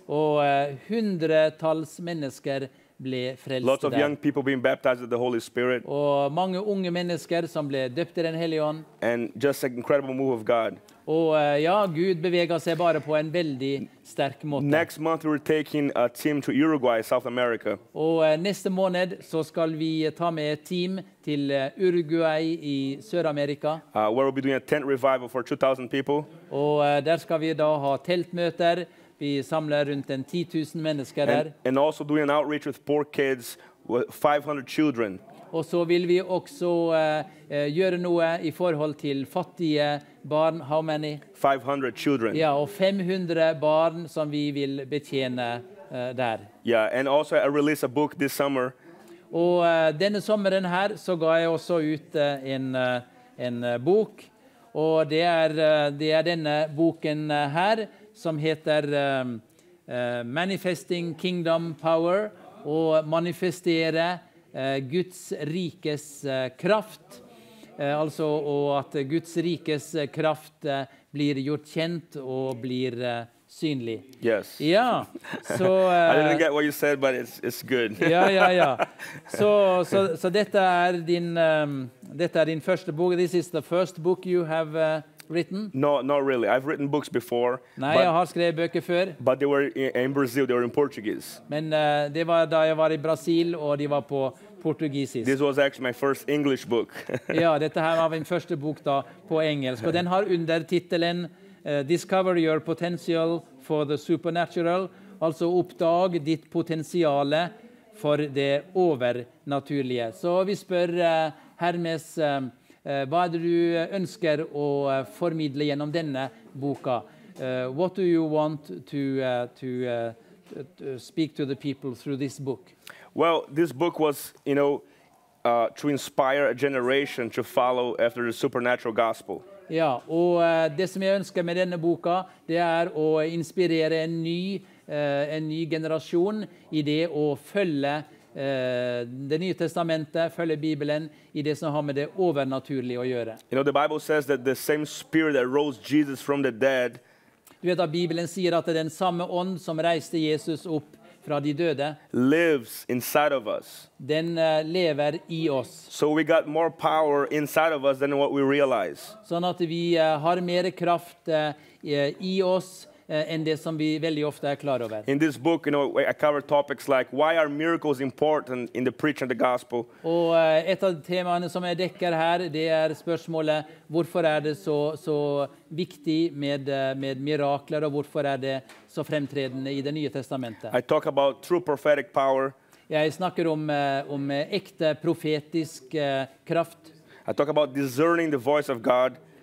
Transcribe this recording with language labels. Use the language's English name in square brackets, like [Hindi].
[Norwegian] Og hundretals mennesker ble frelst der. [English] Lots of young people being baptized with the Holy Spirit. [Norwegian] Og mange unge mennesker som ble døpt i den hellige ånd. [English] And just an incredible move of God. [Norwegian] Og ja, Gud beveger seg bare på en veldig sterk måte. [English] Next month we're taking a team to Uruguay, South America. [Norwegian] Og neste måned så skal vi ta med et team til Uruguay i Sør-Amerika. [English] Where we'll be doing a tent revival for 2,000 people. [Norwegian] Og der skal vi da ha teltmøter. Vi samler rundt en 10,000 mennesker der. [English] And also doing an outreach with poor kids, 500 children. [Norwegian] Og så vil vi også gjøre noe i forhold til fattige barn. [English] How many? 500 children. [Norwegian] Ja, og 500 barn som vi vil betjene der. [English] Yeah, and also I released a book this summer. [Norwegian] Og denne sommeren her så ga jeg også ut en bok. Og det er denne boken her som heter [English] Manifesting Kingdom Power [Norwegian] og manifestere Guds rikes kraft, altså at Guds rikes kraft blir gjort kjent og blir synlig. [English] Yes. [Norwegian] Ja, så, [English] I didn't get what you said, but it's good. [Norwegian] Ja, ja, ja. Så dette er din første bok. [English] This is the first book you have written? No, not really. I've written books before. [Norwegian] Nei, jeg har skrevet bøker før. [English] But they were in Brazil, they were in Portuguese. [Norwegian] Men det var da jeg var i Brasil, og de var på portugisisk. [English] This was actually my first English book. [Norwegian] Ja, dette her var min første bok da, på engelsk. Og den har undertitelen [English] Discover Your Potential for the Supernatural. [Norwegian] Altså oppdag ditt potensiale for det overnaturlige. Så vi spør Hermes, hva er det du ønsker å formidle gjennom denne boka? [English] What do you want to speak to the people through this book? Well, this book was, you know, to inspire a generation to follow after the supernatural gospel. [Norwegian] Ja, og det som jeg ønsker med denne boka, det er å inspirere en ny generasjon i det å følge det nye testamentet, følge Bibelen i det som har med det overnaturlige å gjøre. [English] You know, the Bible says that the same spirit that rose Jesus from the dead. [Norwegian] Du vet at Bibelen sier at det er den samme ånd som reiste Jesus opp fra de døde, [English] lives inside of us. [Norwegian] Den lever I oss. [English] So we got more power inside of us than what we realize. [Norwegian] Sånn at vi har mer kraft I oss enn det som vi veldig ofte klar over. [English] In this book, you know, I cover topics like why are miracles important in the preaching of the gospel? [Norwegian] Og et av temaene som jeg dekker her, det spørsmålet, hvorfor det så viktig med mirakler, og hvorfor det så fremtredende I det nye testamentet? [English] I talk about true prophetic power. [Norwegian] Jeg snakker om ekte profetisk kraft. [English] I talk about discerning the voice of God.